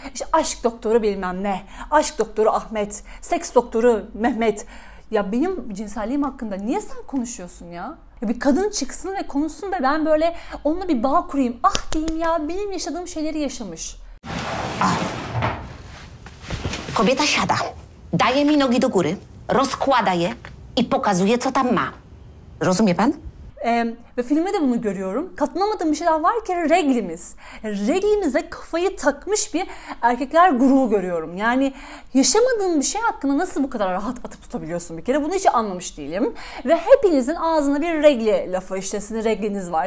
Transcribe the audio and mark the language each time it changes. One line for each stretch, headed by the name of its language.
Turkish: İşte aşk doktoru bilmem ne, aşk doktoru Ahmet, seks doktoru Mehmet. Ya benim cinselliğim hakkında niye sen konuşuyorsun ya? Ya bir kadın çıksın ve konuşsun da ben böyle onunla bir bağ kurayım. Ah diyeyim ya, benim yaşadığım şeyleri yaşamış.
Polish: Kobieta siada, daje mi nogi do góry, rozkłada je i pokazuje co tam ma. Rozumie pan?
Turkish: Ve filmde de bunu görüyorum. Katlanamadığım bir şey daha var ki reglimiz. Reglimize kafayı takmış bir erkekler grubu görüyorum. Yani yaşamadığın bir şey hakkında nasıl bu kadar rahat atıp tutabiliyorsun bir kere? Bunu hiç anlamış değilim. Ve hepinizin ağzında bir regli lafı. İşte sizin regliniz var.